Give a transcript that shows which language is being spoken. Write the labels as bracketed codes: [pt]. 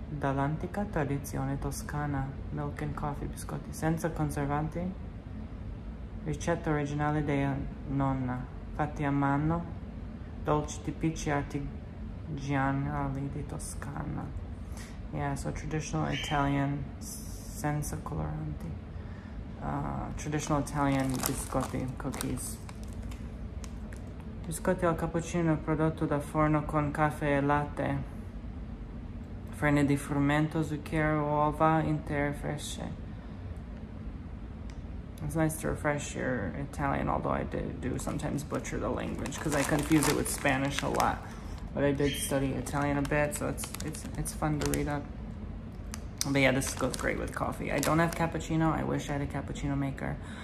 [it] Dall'antica tradizione toscana, [en] milk and coffee [it] biscotti senza conservanti, ricetta originale della nonna, fatti a mano, dolci tipici artigianali di Toscana. [en] Yeah, so traditional Italian [it] senza coloranti, [en] traditional Italian biscotti cookies. [it] Biscotti al cappuccino prodotto da forno con caffè e latte. Frene di frumento, zucchero, uova, intere fresche. [en] It's nice to refresh your Italian, although I do sometimes butcher the language because I confuse it with Spanish a lot. But I did study Italian a bit, so it's fun to read up. But yeah, this goes great with coffee. I don't have cappuccino. I wish I had a cappuccino maker.